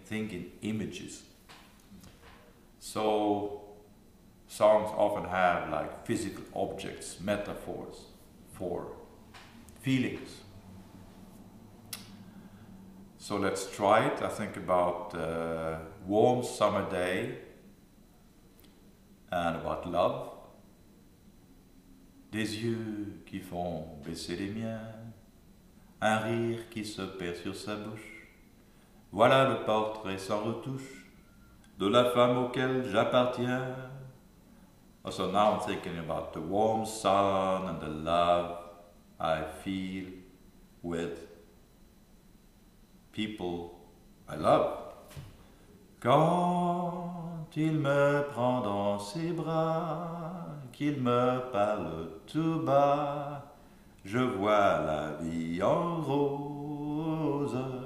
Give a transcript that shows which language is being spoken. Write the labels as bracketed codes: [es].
[en] Think in images. So songs often have like physical objects, metaphors for feelings. So let's try it. I think about a warm summer day and about love. [fr] Des yeux qui font baisser les miens, un rire qui se perd sur sa bouche. Voilà le portrait sans retouche de la femme auquel j'appartiens. [en] So now I'm thinking about the warm sun and the love I feel with people I love. [fr] Quand il me prend dans ses bras, qu'il me parle tout bas, je vois la vie en rose.